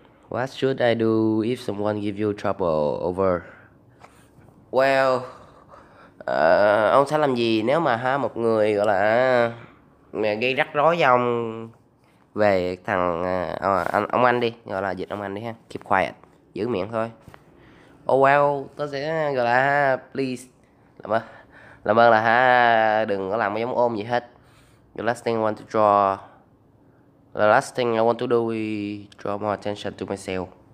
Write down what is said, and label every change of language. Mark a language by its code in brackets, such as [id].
[en] What should I do if someone give you trouble over? Well, [vi] Ông sẽ làm gì nếu mà ha một người gọi là gây rắc rối với ông về thằng ông anh đi, gọi là dịch ông anh đi ha, [en] keep quiet, [vi] giữ miệng thôi. [en] Oh well, [vi] tôi sẽ gọi là please, làm ơn là ha, đừng có làm cái giống ôm gì hết. [en] The last thing I want to draw, the last thing I want to do is draw more attention to myself.